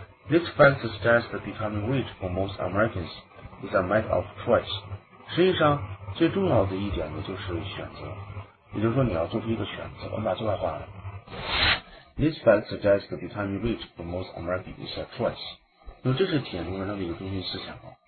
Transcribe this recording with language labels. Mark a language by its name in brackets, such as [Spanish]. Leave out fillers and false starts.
[English] This fact suggests that becoming rich for most Americans is a matter of choice。 [Chinese] 实际上最重要的一点呢就是选择，也就是说你要做出一个选择。我们把这块画了。 [English] This fact suggests that becoming rich for most Americans is a choice。 [Chinese] 那么这是体现出文章的一个中心思想。